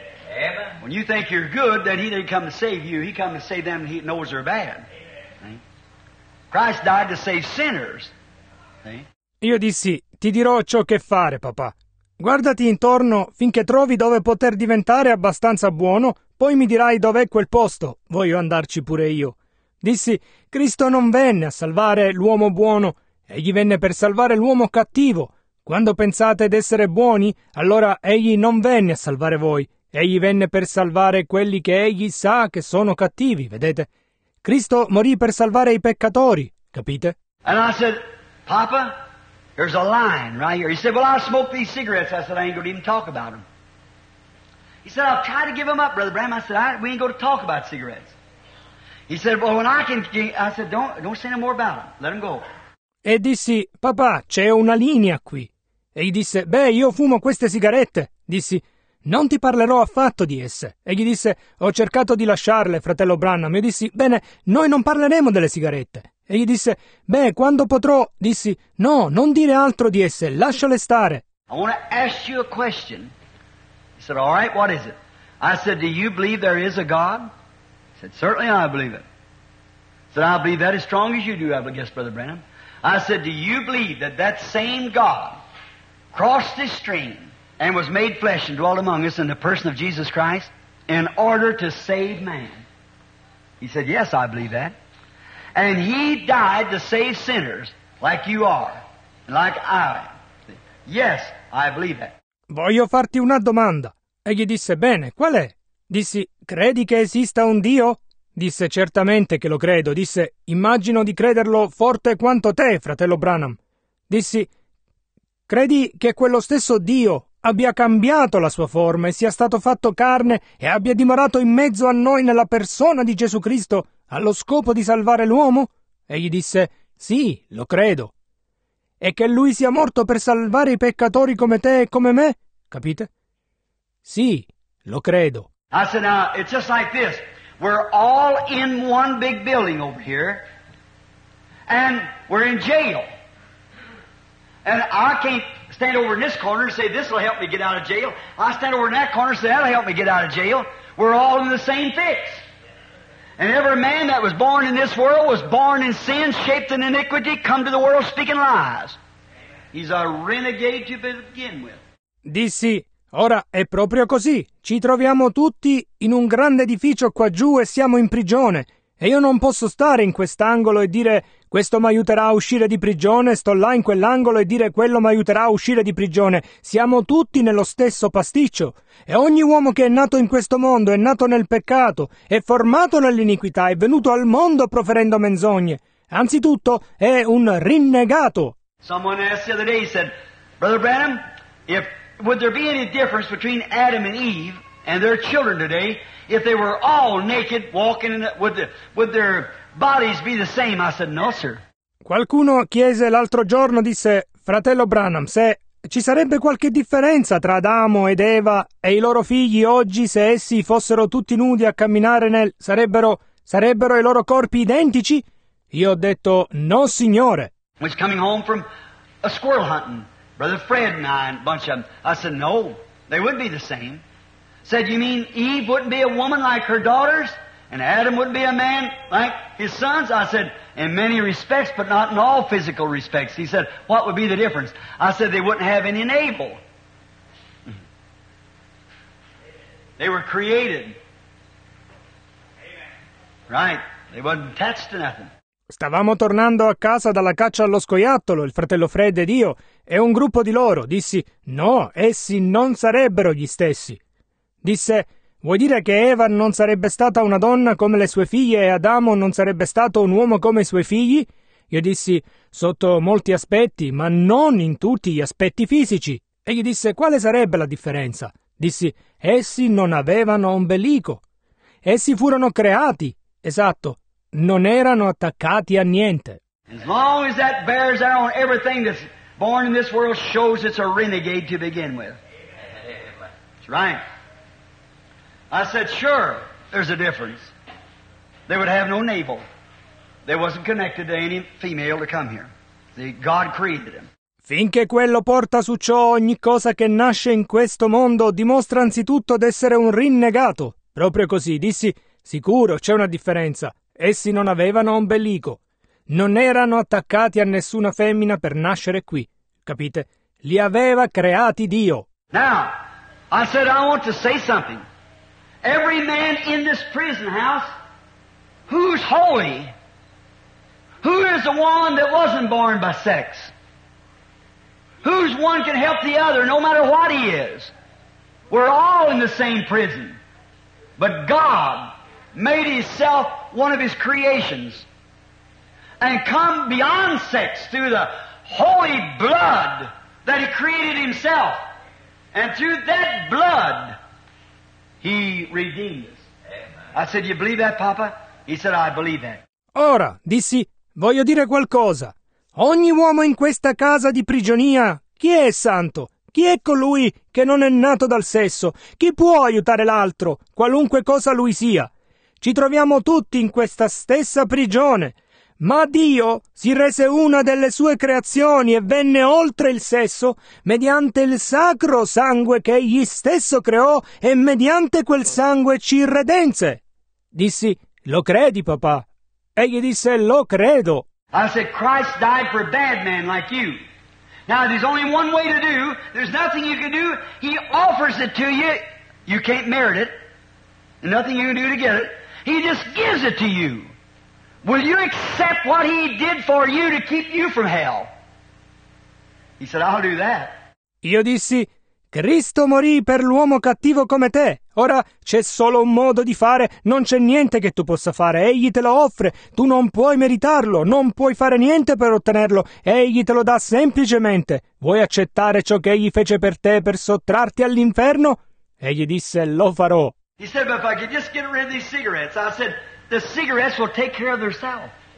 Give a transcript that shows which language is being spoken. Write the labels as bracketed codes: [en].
[en] Amen. When you think you're good, then he didn't come to save you. He come to save them and he knows they're bad. Amen. Christ died to save sinners. See? [it] Io dissi, ti dirò ciò che fare, papà. Guardati intorno finché trovi dove poter diventare abbastanza buono, poi mi dirai dov'è quel posto, voglio andarci pure io. Dissi, Cristo non venne a salvare l'uomo buono, egli venne per salvare l'uomo cattivo. Quando pensate d'essere buoni, allora egli non venne a salvare voi, egli venne per salvare quelli che egli sa che sono cattivi, vedete? Cristo morì per salvare I peccatori, capite? [en] And I said, Papa, there's a line right here. He said, well, I smoke these cigarettes. I said, I ain't going to even talk about them. He said, I'll try to give them up, Brother Bram. I said, we ain't going to talk about cigarettes. He said, "Well, when I can..." I said, "Don't say no more about him. Let him go." [it] E dissi, "Papà, c'è una linea qui." E gli disse, "Beh, io fumo queste sigarette." Dissi, "Non ti parlerò affatto di esse." E gli disse, "Ho cercato di lasciarle, fratello Branham." E dissi, "Bene, noi non parleremo delle sigarette." E gli disse, "Beh, quando potrò..." Dissi, "No, non dire altro di esse, lasciale stare." [en] I want to ask you a question. He said, "All right, what is it?" I said, "Do you believe there is a God?" He said, "Certainly I believe it." He said, "I believe that as strong as you do, I guess, Brother Branham." I said, "Do you believe that that same God crossed this stream and was made flesh and dwelt among us in the person of Jesus Christ in order to save man?" He said, "Yes, I believe that. And he died to save sinners like you are, like I am. Yes, I believe that." [it] "Voglio farti una domanda." E gli disse, "Bene, qual è?" Dissi, "Credi che esista un Dio?" Disse, "Certamente che lo credo." Disse, "Immagino di crederlo forte quanto te, fratello Branham." Dissi, "Credi che quello stesso Dio abbia cambiato la sua forma e sia stato fatto carne e abbia dimorato in mezzo a noi nella persona di Gesù Cristo allo scopo di salvare l'uomo?" Egli disse, "Sì, lo credo." "E che lui sia morto per salvare i peccatori come te e come me?" Capite? "Sì, lo credo." [en] I said, "Now, it's just like this. We're all in one big building over here, and we're in jail. And I can't stand over in this corner and say, 'This will help me get out of jail.' I stand over in that corner and say, 'That'll help me get out of jail.' We're all in the same fix. And every man that was born in this world was born in sin, shaped in iniquity, come to the world speaking lies. He's a renegade to begin with." [it] Dissi, "Ora è proprio così. Ci troviamo tutti in un grande edificio qua giù e siamo in prigione. E io non posso stare in quest'angolo e dire, 'Questo mi aiuterà a uscire di prigione.' Sto là in quell'angolo e dire, 'Quello mi aiuterà a uscire di prigione.' Siamo tutti nello stesso pasticcio. E ogni uomo che è nato in questo mondo è nato nel peccato, è formato nell'iniquità, è venuto al mondo proferendo menzogne. Anzitutto è un rinnegato." [en] Someone asked the other day, he said, "Brother Branham, if would there be any difference between Adam and Eve and their children today, if they were all naked, walking, would their bodies be the same?" I said, "No, sir." [it] Qualcuno chiese l'altro giorno, disse, "Fratello Branham, se ci sarebbe qualche differenza tra Adamo ed Eva e i loro figli oggi, se essi fossero tutti nudi a camminare nel... sarebbero i loro corpi identici?" Io ho detto, "No, signore." [en] Was coming home from a squirrel hunting, Brother Fred and I and a bunch of them. I said, "No, they wouldn't be the same." Said, "You mean Eve wouldn't be a woman like her daughters, and Adam wouldn't be a man like his sons?" I said, "In many respects, but not in all physical respects." He said, "What would be the difference?" I said, "They wouldn't have any navel. They were created." Amen. Right? They wasn't attached to nothing. [it] Stavamo tornando a casa dalla caccia allo scoiattolo, il fratello Fred ed io, e un gruppo di loro. Dissi, "No, essi non sarebbero gli stessi." Disse, "Vuoi dire che Eva non sarebbe stata una donna come le sue figlie e Adamo non sarebbe stato un uomo come i suoi figli?" Io dissi, "Sotto molti aspetti, ma non in tutti gli aspetti fisici." E gli disse, "Quale sarebbe la differenza?" Dissi, "Essi non avevano ombelico. Essi furono creati." Esatto. Non erano attaccati a niente. [en] As long as that bears out on everything that's born in this world shows it's a renegade to begin with. That's right. I said, "Sure, there's a difference. They would have no navel. They wasn't connected to any female to come here. See, God created them." [it] Finché quello porta su ciò, ogni cosa che nasce in questo mondo dimostra anzitutto d'essere un rinnegato. Proprio così, dissi, "Sicuro, c'è una differenza. Essi non avevano ombelico. Non erano attaccati a nessuna femmina per nascere qui." Capite? Li aveva creati Dio. [en] Now, I said, "I want to say something. Every man in this prison house, who's holy? Who is the one that wasn't born by sex? Who's one can help the other no matter what he is? We're all in the same prison. But God made himself one of his creations and come beyond sex through the holy blood that he created himself. And through that blood, he redeemed us." Amen. I said, "You believe that, Papa?" He said, I believe that. [it] Ora, dissi, voglio dire qualcosa. Ogni uomo in questa casa di prigionia, chi è santo? Chi è colui che non è nato dal sesso? Chi può aiutare l'altro, qualunque cosa lui sia? Ci troviamo tutti in questa stessa prigione. Ma Dio si rese una delle sue creazioni e venne oltre il sesso mediante il sacro sangue che egli stesso creò e mediante quel sangue ci redenze. Dissi, lo credi, papà? Egli disse, lo credo. [en] I said, Christ died for a bad man like you. Now, there's only one way to do. There's nothing you can do. He offers it to you. You can't merit it. Nothing you can do to get it. He just gives it to you. Will you accept what he did for you to keep you from hell? He said, I'll do that. [it] Io dissi, Cristo morì per l'uomo cattivo come te. Ora c'è solo un modo di fare, non c'è niente che tu possa fare. Egli te lo offre, tu non puoi meritarlo, non puoi fare niente per ottenerlo. Egli te lo dà semplicemente. Vuoi accettare ciò che egli fece per te per sottrarti all'inferno? Egli disse, lo farò. [en] He said, but if I could just get rid of these cigarettes, I said, the cigarettes will take care of themselves.